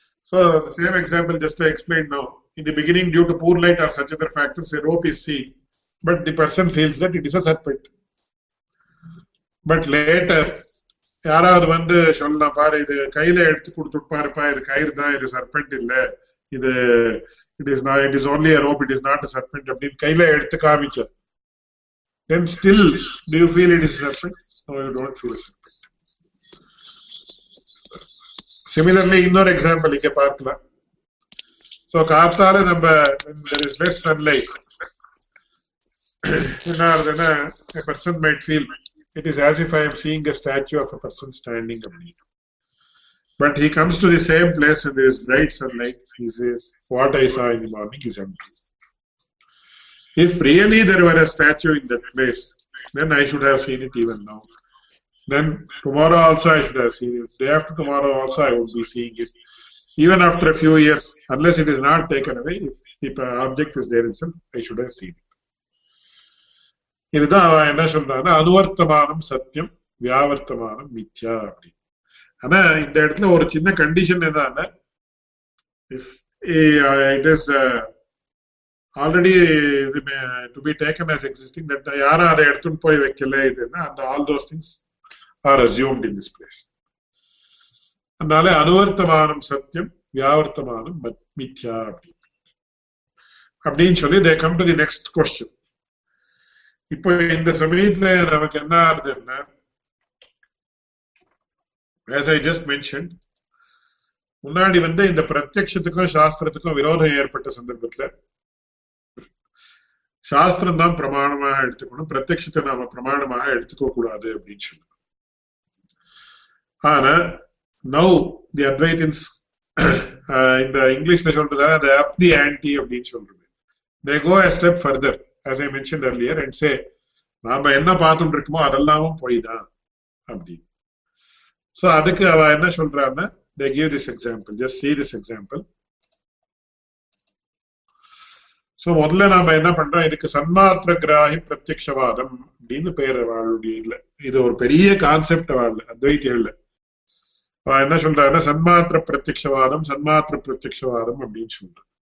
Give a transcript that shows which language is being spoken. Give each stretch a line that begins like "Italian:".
English: So the same example just to explain now. In the beginning due to poor light or such other factors a rope is seen but the person feels that it is a serpent. But later
Tamil: யாராவது வந்து சொன்னா பாரு இது கையில எடுத்து கொடுத்துட்டு பாருப்பா இது கயிறு தான் இது சர்பெண்ட் இல்ல இது
English: it is not it is only a rope it is not a serpent
Tamil: அப்படின்னு கையில எடுத்து காமிச்சு
English: then still do you feel it is a serpent? No, you don't feel a serpent.
Tamil: Similarly இன்னொரு எக்ஸாம்பிள் இங்க பார்க்கலாம். So காத்தால நம்ம
English: there is less sunlight
Tamil: என்ன ஆகுதுன்னா
English: a person might feel it is as if I am seeing a statue of a person standing but he comes to the same place and there is bright sunlight he says what I saw in the morning is empty. If really there were a statue in that place then I should have seen it even now. Then tomorrow also I should have seen it. Day after tomorrow also I would be seeing it. Even after a few years, unless it is not taken away, if the object is there itself, I should have seen it.
Tamil: இதுதான் அவன் என்ன சொல்றான் அனுவர்த்தமானம் சத்தியம் வியாவர்த்தமானம் மித்யா அப்படின்னு. ஆனா இந்த இடத்துல ஒரு சின்ன கண்டிஷன் என்ன
English: if it is already to be taken as existing, that
Tamil: யாரும் அதை எடுத்துட்டு போய் வைக்கல இதுன்னா அந்த
English: all those things, are assumed in this place.
Tamil: அதனாலே அனுவர்த்தமானம் சத்தியம் வியாவர்த்தமானம் மித்யா அப்படின்னு சொல்லி
English: they come to the next question.
Tamil: இப்போ இந்த சமயத்துல நமக்கு என்ன ஆறுது என்ன
English: as I just mentioned
Tamil: முன்னாடி வந்து இந்த பிரத்யக்ஷத்துக்கும் சாஸ்திரத்துக்கும் விரோதம் ஏற்பட்ட சந்தர்ப்பத்துல சாஸ்திரம் தான் பிரமாணமாக எடுத்துக்கணும் பிரத்யக்ஷத்தை நாம பிரமாணமாக எடுத்துக்க கூடாது அப்படின்னு சொல்லணும்.
English: Now, the Advaitins, in the English, they up the ante of each other. They go a step further, as I mentioned earlier, and say,
Tamil: நாம என்ன பார்த்துட்டு இருக்கோமோ அதெல்லாமும் போய்தான் அப்படின்னு. சோ அதுக்கு அவ என்ன சொல்றான்னா
English: they give this example. Just see this example.
Tamil: So முதல்ல நாம என்ன பண்றோம் இதுக்கு சன்மாத்திர கிராகி பிரத்யக்ஷவாதம் அப்படின்னு பேர் வாழ்வுடைய இல்ல இது ஒரு பெரிய கான்செப்ட் வாழ்ல அத்வைத்தியர்ல என்ன சொல்றாருன்னா சன்மாத்திர பிரத்யக்ஷவாதம் சன்மாத்திர பிரத்யக்ஷவாதம் அப்படின்னு சொல்றோம்.